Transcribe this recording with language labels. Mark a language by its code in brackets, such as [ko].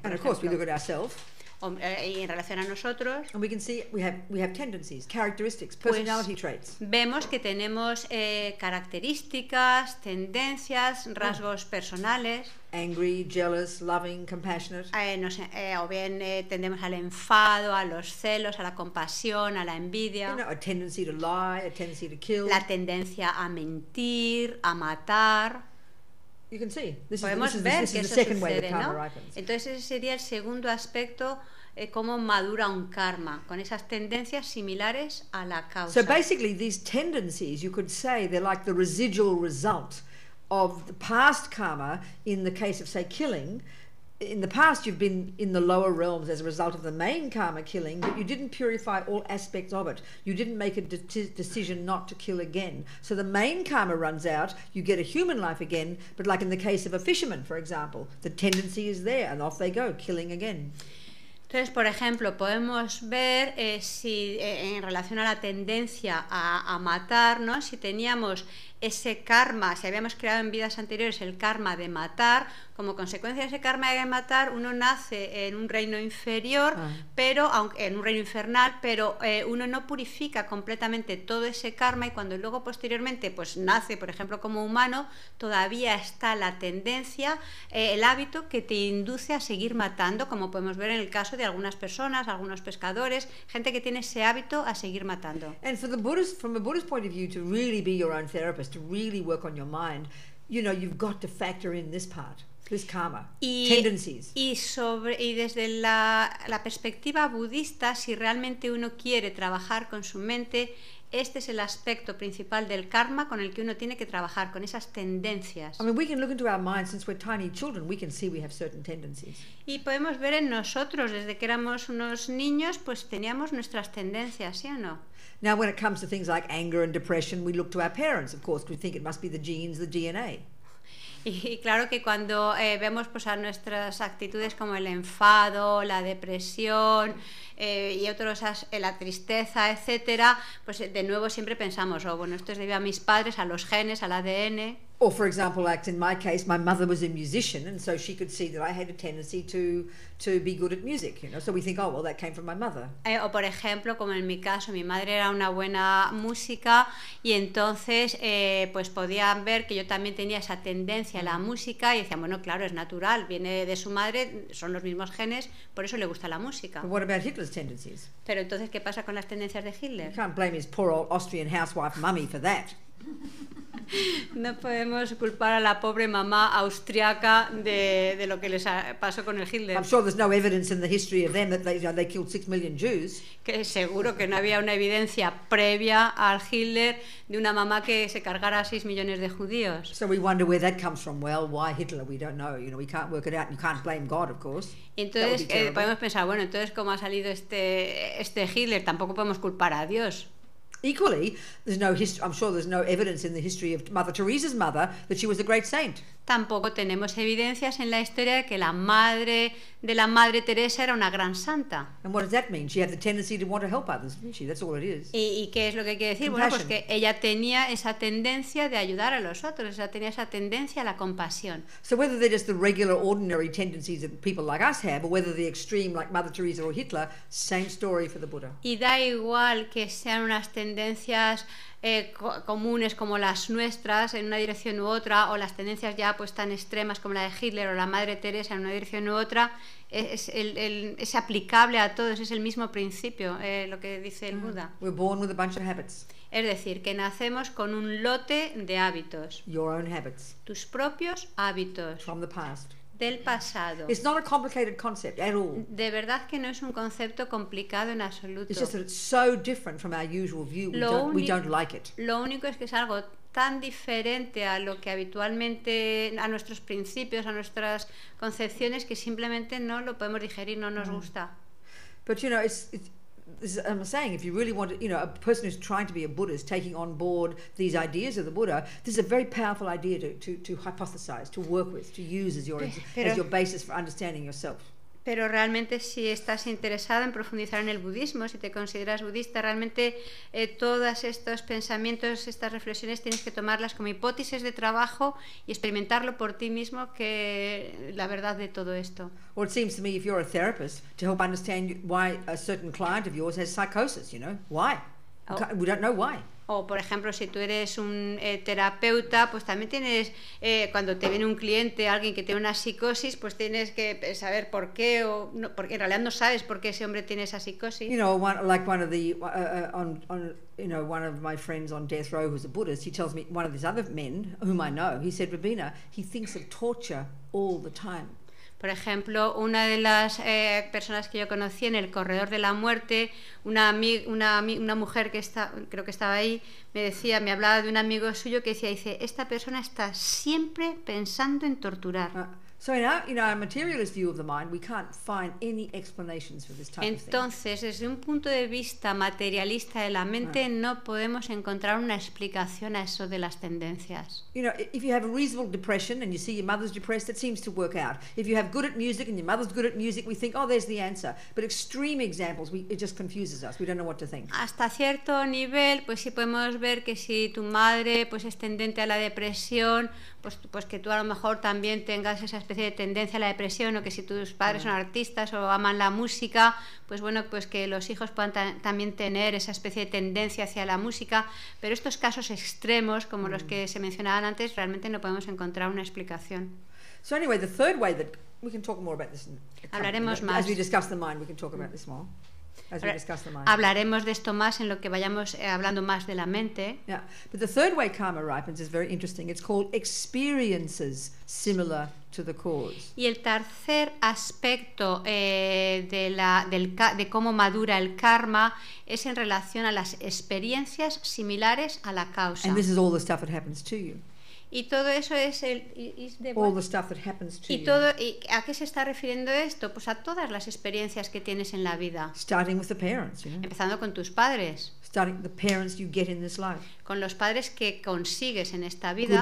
[en] And of course, we look at ourselves. [es] Y en relación a nosotros. [en] And we can see we have tendencies, characteristics, personality traits. [es] Vemos que tenemos características, tendencias, rasgos personales. [en] Angry, jealous, loving, compassionate. [es] Tendemos al enfado, a los celos, a la compasión, a la envidia. [en] You know, a tendency to lie, a tendency to kill. [es] La tendencia a mentir, a matar. [en] You can see. This [es] Podemos [en] is, this [es] ver [en] is, this [es] que [en] is the [es] eso [en] second [es] sucede, ¿no? [en] ripens. [es] Entonces ese sería el segundo aspecto, cómo madura un karma, con esas tendencias similares a la causa. [en] So basically these tendencies, you could say, they're like the residual result of the past karma in the case of, say, killing. In the past you've been in the lower realms as a result of the main karma killing, but you didn't purify all aspects of it. You didn't make a decision not to kill again. So the main karma runs out, you get a human life again, but like in the case of a fisherman, for example, the tendency is there and off they go, killing again. [es] Entonces, por ejemplo, podemos ver si en relación a la tendencia a matar, ¿no? Si teníamos ese karma, si habíamos creado en vidas anteriores el karma de matar, como consecuencia de ese karma de matar, uno nace en un reino inferior, pero aunque en un reino infernal, pero uno no purifica completamente todo ese karma, y cuando luego posteriormente pues nace, por ejemplo, como humano, todavía está la tendencia, el hábito que te induce a seguir matando, como podemos ver en el caso de algunas personas, algunos pescadores, gente que tiene ese hábito a seguir matando. [en] And for the Buddhist, from a Buddhist point of view, to really be your own therapist, to really work on your mind, you know, you've got to factor in this part, this karma, [es] y, [en] tendencies. [es] Y desde la perspectiva budista, si realmente uno quiere trabajar con su mente, este es el aspecto principal del karma con el que uno tiene que trabajar, con esas tendencias. [en] I mean, we can look into our minds since we're tiny children, we can see we have certain tendencies. [es] Y podemos ver en nosotros, desde que éramos unos niños, pues teníamos nuestras tendencias, ¿sí o no? [en] Now, when it comes to things like anger and depression, we look to our parents, of course, because we think it must be the genes, the DNA. [es] Y claro que cuando vemos pues a nuestras actitudes como el enfado, la depresión y otros, la tristeza, etcétera, pues de nuevo siempre pensamos, oh, bueno, esto es debido a mis padres, a los genes, al ADN. [en] Or for example, like in my case, my mother was a musician, and so she could see that I had a tendency to be good at music, you know. So we think, oh, well, that came from my mother. [es] O por ejemplo, como en mi caso, mi madre era una buena música, y entonces pues podían ver que yo también tenía esa tendencia a la música, y decían, bueno, claro, es natural, viene de su madre, son los mismos genes, por eso le gusta la música. [en] But what about Hitler's tendencies? [es] Pero entonces, ¿qué pasa con las tendencias de Hitler? [en] You can't blame his poor old Austrian housewife mummy for that. [es] No podemos culpar a la pobre mamá austriaca de lo que les pasó con el Hitler. [en] I'm sure there's no evidence in the history of them that they, you know, they killed 6 million Jews. [es] Que seguro que no había una evidencia previa al Hitler de una mamá que se cargara a 6 millones de judíos. [en] So we wonder where that comes from. Well, why Hitler? We don't know. You know, we can't work it out. You can't blame God, of course. [es] Entonces podemos pensar, bueno, entonces cómo ha salido este Hitler. Tampoco podemos culpar a Dios. [en] Equally, there's no history. I'm sure there's no evidence in the history of Mother Teresa's mother that she was a great saint. [es] Tampoco tenemos evidencias en la historia de que la madre de la Madre Teresa era una gran santa. [en] And what does that mean? She had the tendency to want to help others, didn't she? That's all it is. [es] ¿Y qué es lo que quiere decir? [en] Compassion. [es] Bueno, pues que ella tenía esa tendencia de ayudar a los otros. Ella tenía esa tendencia a la compasión. [en] So whether they're just the regular, ordinary tendencies that people like us have, or whether they're extreme like Mother Teresa or Hitler, same story for the Buddha. [es] Y da igual que sean unas tendencias comunes como las nuestras en una dirección u otra, o las tendencias ya pues tan extremas como la de Hitler o la Madre Teresa en una dirección u otra, es aplicable a todos, es el mismo principio, lo que dice el Buda. [en] We're born with a bunch of habits. [es] Es decir, que nacemos con un lote de hábitos. [en] Your own habits. [es] Tus propios hábitos. [en] From the past. [es] Del pasado. [en] It's not a complicated concept at all. [es] De verdad que no es un concepto complicado en absoluto. [en] It's just that it's so different from our usual view. We don't like it. [es] Lo único es que es algo tan diferente a lo que habitualmente, a nuestros principios, a nuestras concepciones, que simplemente no lo podemos digerir, no nos gusta. [en] But you know, I'm saying, if you really want, you know, a person who's trying to be a Buddhist, taking on board these ideas of the Buddha, this is a very powerful idea to hypothesize, to work with, to use as your basis for understanding yourself. [es] Pero realmente, si estás interesado en profundizar en el budismo, si te consideras budista, realmente todos estos pensamientos, estas reflexiones, tienes que tomarlas como hipótesis de trabajo y experimentarlo por ti mismo, que la verdad de todo esto. [en] Well, it seems to me, if you're a therapist, to help understand why a certain client of yours has psychosis, you know, why? We don't know why. [es] O por ejemplo, si tú eres un terapeuta, pues también tienes, cuando te viene un cliente, alguien que tiene una psicosis, pues tienes que saber por qué, o no, porque en realidad no sabes por qué ese hombre tiene esa psicosis. [en] You know, one of my friends on death row, who's a Buddhist, he tells me, one of these other men whom I know, he said, Rabina, he thinks of torture all the time. [es] Por ejemplo, una de las personas que yo conocí en el corredor de la muerte, una mujer que está, creo que estaba ahí, me decía, me hablaba de un amigo suyo que decía, dice, esta persona está siempre pensando en torturar. [en] So in our materialist view of the mind, we can't find any explanations for this type [es] Entonces, [en] of thing. [es] Desde un punto de vista materialista de la mente, [en] right. [es] no podemos encontrar una explicación a eso de las tendencias. [en] You know, if you have a reasonable depression and you see your mother's depressed, it seems to work out. If you have good at music and your mother's good at music, we think, oh, there's the answer. But extreme examples, it just confuses us. We don't know what to think. [es] Hasta cierto nivel, pues sí podemos ver que si tu madre pues es tendente a la depresión, pues que tú a lo mejor también tengas esa especie de tendencia a la depresión, o que si tus padres son artistas o aman la música, pues bueno, pues que los hijos puedan también tener esa especie de tendencia hacia la música. Pero estos casos extremos, como los que se mencionaban antes, realmente no podemos encontrar una explicación. [en] So anyway, the third way that we can talk more about this. [es] Hablaremos más. [en] As we discuss the mind, we can talk about this more. As we discuss the mind. [es] Hablaremos de esto más en lo que vayamos hablando más de la mente. [en] Yeah. But the third way karma ripens is very interesting. It's called experiences similar to the cause. [es] Y el tercer aspecto de cómo madura el karma es en relación a las experiencias similares a la causa. [en] And this is all the stuff that happens to you. [es] Y todo eso es el [en] All the stuff that happens to [es] y todo y a qué se está refiriendo esto, pues a todas las experiencias que tienes en la vida. [en] Starting with the parents, you know? [es] Empezando con tus padres. [en] Starting the parents you get in this life. [es] Con los padres que consigues en esta vida.